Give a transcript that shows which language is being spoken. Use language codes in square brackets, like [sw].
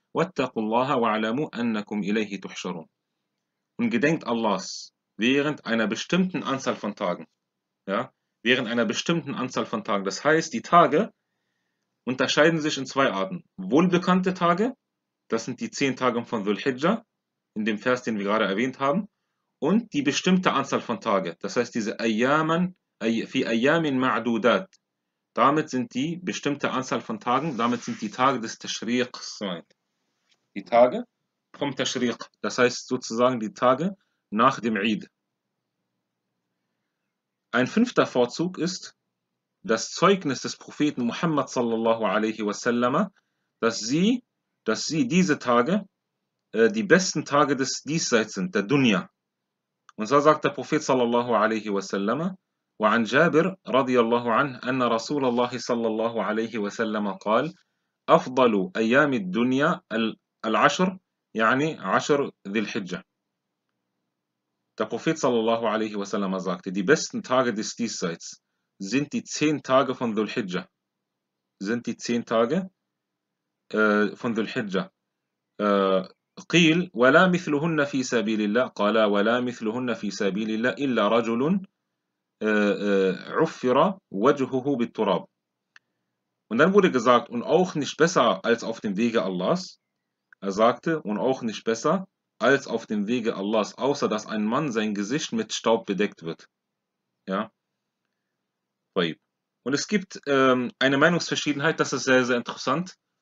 [ar] واتقوا الله واعلموا انكم اليه تحشرون. [de] Und gedenkt Allahs während einer bestimmten Anzahl von Tagen. Ja? während einer bestimmten Anzahl von Tagen. Das heißt, die Tage unterscheiden sich in zwei Arten. Wohlbekannte Tage, das sind die 10 Tage von Dhul-Hijja, in dem Vers, den wir gerade erwähnt haben, und die bestimmte Anzahl von Tagen. Das heißt, diese Ayyaman, fi Ayyamin Ma'dudat. Damit sind die bestimmte Anzahl von Tagen, damit sind die Tage des Tashriqs gemeint. Die Tage vom Tashriq, das heißt sozusagen die Tage nach dem Eid. Ein fünfter Vorzug ist das Zeugnis des Propheten Muhammad sallallahu alaihi wasallama, dass sie diese Tage die besten Tage des Diesseits sind, der Dunya. Und so sagt der Prophet [ar] sallallahu alaihi wasallama, وعن جابر رضي الله عنه أن رسول الله صلى الله عليه وسلم قال أفضل أيام الدنيا العشر يعني عشر ذي الحجة. [de] Der Prophet sallallahu alaihi wasallam sagte, die besten Tage des Diesseits sind die 10 Tage von Dhul Hijjah. Sind die 10 Tage von Dhul Hijjah. [ar] قيل ولا مثلهن في سبيل الله قال ولا مثلهن في سبيل الله إلا رجل عفر وجهه بالتراب. [de] Und dann wurde gesagt, und auch nicht besser als auf dem Wege Allahs. Er sagte, und auch nicht besser als auf dem Wege Allahs, außer dass ein Mann sein Gesicht mit Staub bedeckt wird. Ja. Und es gibt eine Meinungsverschiedenheit, das ist sehr, sehr interessant.